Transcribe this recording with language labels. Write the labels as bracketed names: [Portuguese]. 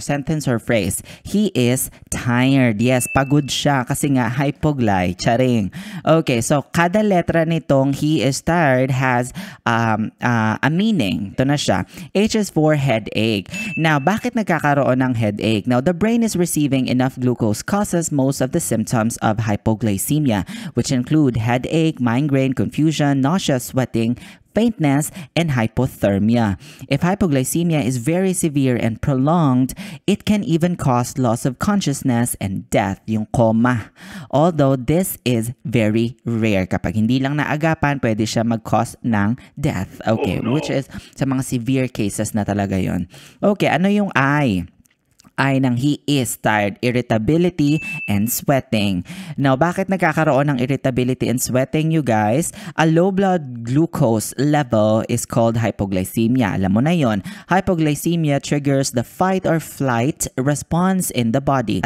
[English] Sentence or phrase. He is tired. Yes, [Filipino] pagod siya kasi nga hypogly. [English] Charing. Okay, so [Filipino] kada letra nitong [English] he is tired has a meaning. [Filipino] Ito na siya. [English] H is for headache. [Filipino] Now, bakit nagkakaroon ng headache? [English] Now, the brain is receiving enough glucose causes most of the symptoms of hypoglycemia, which include headache, migraine, confusion, nausea, sweating, faintness, and hypothermia. If hypoglycemia is very severe and prolonged, it can even cause loss of consciousness and death, yung coma. Although this is very rare. [Filipino] Kapag hindi lang naagapan, pwede siya mag-cause ng death. Okay, oh, no. Which is sa mga severe cases na talaga yon. Okay, ano yung I? [English] Ay nang he is tired, irritability, and sweating. Now, [Filipino] bakit nagkakaroon ng [English] irritability and sweating, you guys? A low blood glucose level is called hypoglycemia. [Filipino] Alam mo na yon. [English] Hypoglycemia triggers the fight or flight response in the body.